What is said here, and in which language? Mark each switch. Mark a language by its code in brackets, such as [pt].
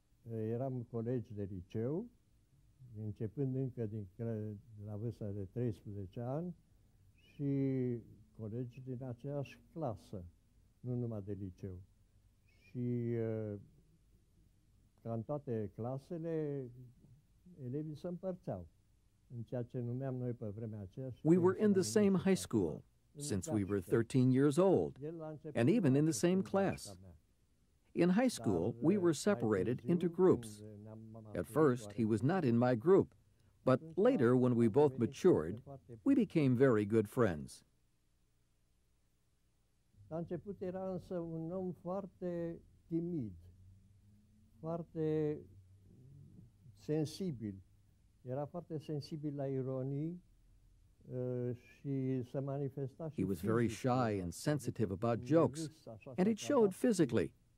[ro] Eram colegi de liceu, începând încă din la vârsta de 13 ani și colegi din aceeași clasă, nu numai de liceu. Și ca în toate clasele, elevii se împărțeau în ceea ce numeam noi pe vremea aceea. [en] We were in the same high school since we were 13 years old, and even in the same class. In high school, we were separated into groups. At first, he was not in my group, but later, when we both matured, we became very good friends. [ro] La început era însă un om foarte timid, foarte sensibil. Era foarte sensibil la ironie și se manifesta. [en] He was very shy and sensitive about jokes, and it showed physically.